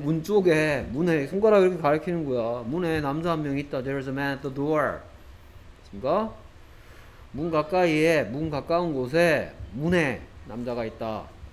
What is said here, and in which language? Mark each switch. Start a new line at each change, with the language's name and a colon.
Korean: 문 쪽에 문에 손가락 이렇게 가리키는 거야. 문에 남자 한 명 있다.
English: 'There is a man at the door'
Korean: 맞습니까? 문 가까이에, 문 가까운 곳에 문에 남자가 있다.